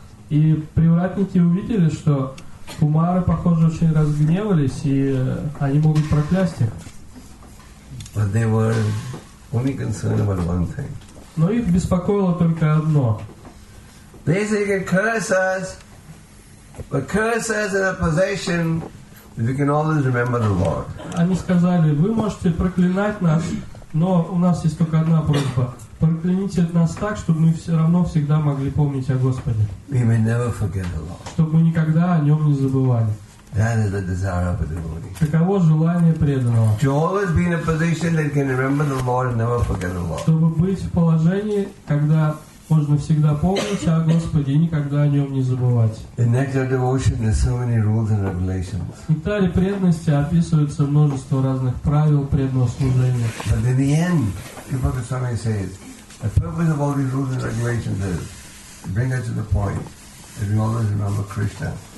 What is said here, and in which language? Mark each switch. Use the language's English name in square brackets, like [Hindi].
[Russian] И привратники увидели, что кумары, похоже, очень разгневались, и они могут проклясть их. [English] But they were only concerned about one thing. [Russian] Но их беспокоило только одно. [English] They say you can curse us, but curse us in a position that we can always remember the Lord. [Russian] Они сказали: "Вы можете проклинать нас, но у нас есть только одна просьба. Прокляните нас так, чтобы мы все равно всегда могли помнить о Господе." [English] We may never forget the Lord. [Russian] Чтобы мы никогда о нем не забывали. [English] That is the desire of a devotee. [Russian] Таково желание преданного. [English] To always be in a position that can remember the Lord and never forget the Lord. [Russian] Чтобы быть в положении, когда можно всегда помнить о Господе и никогда о нем не забывать. В нектаре преданности описывается множество разных правил преданного служения. [English] But in the end, Kripa Goswami says, the purpose of all these rules and regulations is to bring us to the point that we always remember Krishna.